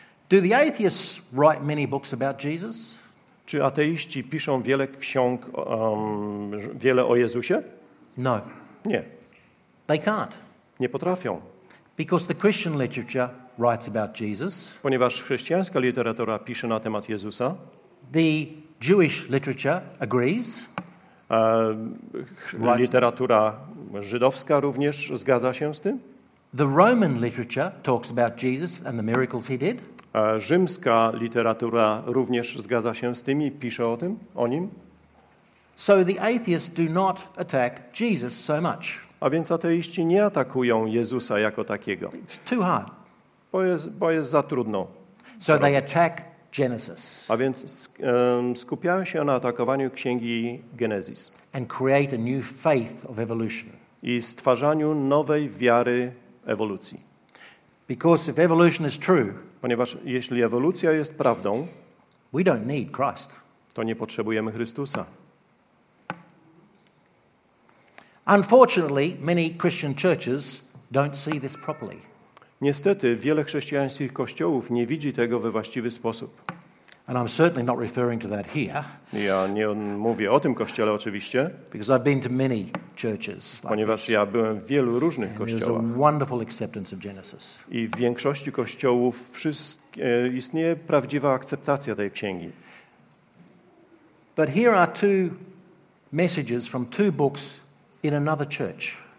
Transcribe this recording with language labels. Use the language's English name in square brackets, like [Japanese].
[English] Do the atheists write many books about Jesus? [Polish] Czy ateiści piszą wiele ksiąg, wiele o Jezusie? [English] No. [Polish] Nie. [English] They can't. [Polish] Nie potrafią. [English] Because the Christian literature writes about Jesus. [Polish] Ponieważ chrześcijańska literatura pisze na temat Jezusa. [English] The Jewish literature agrees. [Polish] Literatura żydowska również zgadza się z tym. [English] The Roman literature talks about Jesus and the miracles he did. [Polish] Rzymska literatura również zgadza się z tym i pisze o tym, o nim. [English] So the atheists do not attack Jesus so much. [Polish] A więc ateiści nie atakują Jezusa jako takiego. [English] It's too hard. [Polish] Bo jest za trudno. [English] So they attack Genesis. [Polish] A więc skupiają się na atakowaniu księgi Genesis. [English] And create a new faith of evolution. [Polish] I stwarzaniu nowej wiary ewolucji. [English] Because if evolution is true, [Polish] ponieważ jeśli ewolucja jest prawdą, [English] we don't need Christ. [Polish] To nie potrzebujemy Chrystusa. [English] Unfortunately, many Christian churches don't see this properly. [Polish] Niestety, wiele chrześcijańskich kościołów nie widzi tego we właściwy sposób. [English] And I'm certainly not referring to that here. [Polish] Ja nie mówię o tym kościele oczywiście. [English] Because I've been to many churches. [Polish] Ponieważ ja byłem w wielu różnych kościołach. [English] There's a wonderful acceptance of Genesis. [Polish] I w większości kościołów istnieje prawdziwa akceptacja tej księgi. [English] But here are two messages from two books in another church.